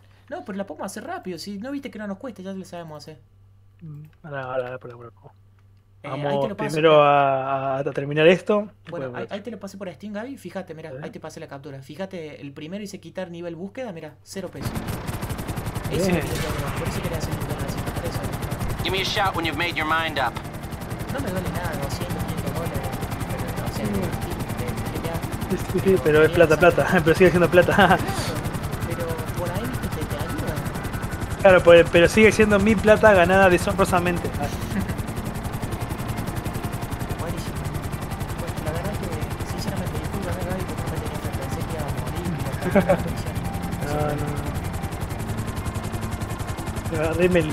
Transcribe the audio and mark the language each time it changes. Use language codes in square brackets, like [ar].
[es] No, pero la podemos hacer rápido, si no viste que no nos cuesta, ya lo sabemos hacer. Ahora. Vamos primero a terminar esto. Bueno, ahí te lo pasé por Steam, Gaby. Fíjate, mira, ahí te pasé la captura. Fíjate, el primero hice quitar nivel búsqueda, mira, 0 pesos. Ese es el video, por eso quería hacer un [en] video. Give me a shout when you've made your mind up. [es] No me duele nada, 200 dólares. Sí, pero es plata, pero sigue siendo plata. Pero por ahí te ayuda. Claro, pero sigue siendo mi plata ganada deshonrosamente. No.